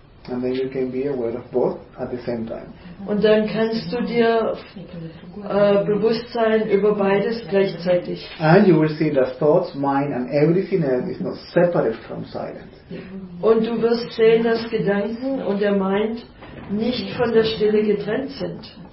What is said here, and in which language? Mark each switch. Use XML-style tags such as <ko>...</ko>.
<en>And then you can be aware of both at the same time.</en> <de>Und dann kannst du dir bewusst sein über beides gleichzeitig. And you will see that thoughts, mind and everything else is not separate from silence. Und du wirst sehen, dass Gedanken und der Mind nicht von der Stille getrennt sind.</de>